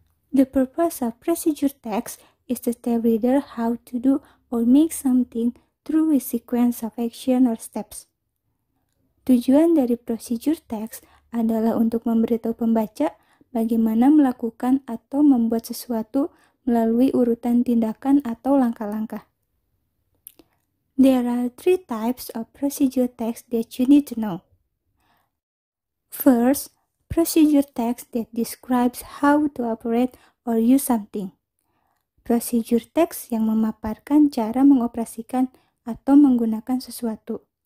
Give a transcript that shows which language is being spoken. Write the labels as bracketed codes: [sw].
[en] The purpose of procedure text is to tell reader how to do or make something through a sequence of action or steps. [id] Tujuan dari procedure text adalah untuk memberitahu pembaca bagaimana melakukan atau membuat sesuatu melalui urutan tindakan atau langkah-langkah. [en] There are three types of procedure text that you need to know. First, procedure text that describes how to operate or use something. [id] Procedure text yang memaparkan cara mengoperasikan atau menggunakan sesuatu.